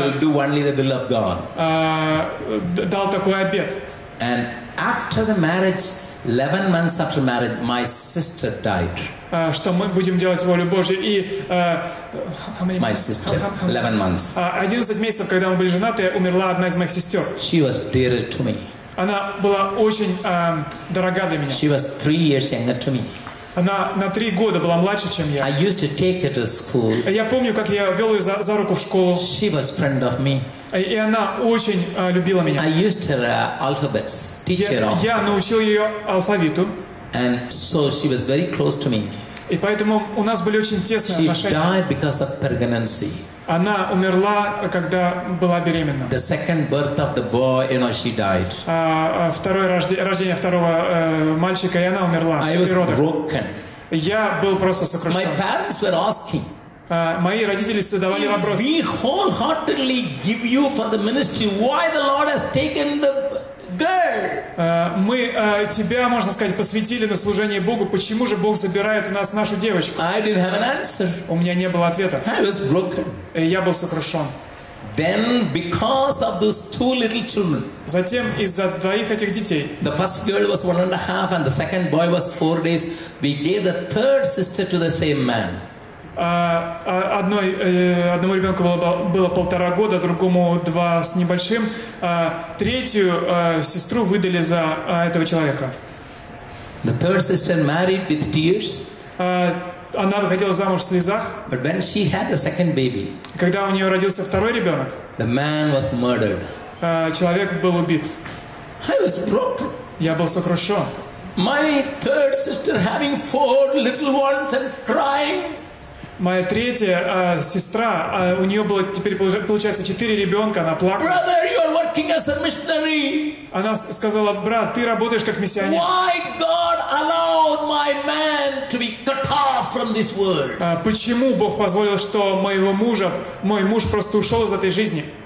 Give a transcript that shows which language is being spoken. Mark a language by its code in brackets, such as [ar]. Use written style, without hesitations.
[en] We will do only the will of God. [ru] Дал такой обет. [en] And after the marriage, 11 months after marriage, my sister died. [ru] Что мы будем делать волю Божью и [en] my sister, 11 months. [ru] 11 месяцев, когда мы были женаты, умерла одна из моих сестер. [en] She was dearer to me. [ru] Она была очень дорога для меня. [en] She was 3 years younger to me. [ru] Она на 3 года была младше, чем я. [en] I used to take her to school. [ru] Я помню, как я вел ее за руку в школу. [en] She was friend of me. [ru] И она очень любила меня. [en] I used her alphabets, teach her alphabets. [ru] Я научил ее алфавиту. [en] And so she was very close to me. [ru] И поэтому у нас были очень тесные [en] she [ru] отношения. [en] Died because of pregnancy. [ru] Она умерла, когда была беременна. [en] The second birth of the boy, you know, she died. [ru] Рождение второго мальчика, и она умерла. [en] I was broken. [ru] Я был просто сокрушен. [en] My parents were asking. [ru] Мои родители задавали вопрос. [en] We wholeheartedly give you for the ministry. Why the Lord has taken the girl? [ru] Мы тебя, можно сказать, посвятили на служение Богу. Почему же Бог забирает у нас нашу девочку? [en] I didn't have an answer. [ru] У меня не было ответа. [en] I was broken. [ru] Я был сокрушен. [en] Then, because of those two little children. [ru] Затем из-за двоих этих детей. [en] The first girl was 1.5, and the second boy was 4 days. We gave the third sister to the same man. [ru] Одному ребенку было 1.5 года, другому 2 с небольшим. Третью сестру выдали за этого человека. [en] The third sister married with tears. [ru] Она выходила замуж в слезах. [en] But when she had the second baby, [ru] когда у нее родился второй ребенок, [en] the man was murdered. [ru] Человек был убит. [en] I was broken. [ru] Я был сокрушен. [en] My third sister having 4 little ones and crying. [ru] Моя третья сестра, у нее было теперь получается 4 ребенка, она плакала. [en] Brother, you are working as a missionary. [ru] Она сказала: брат, ты работаешь как миссионер. [en] Why God allowed my man to be cut off from this world? [ru] Почему Бог позволил, что моего мужа, мой муж просто ушел из этой жизни?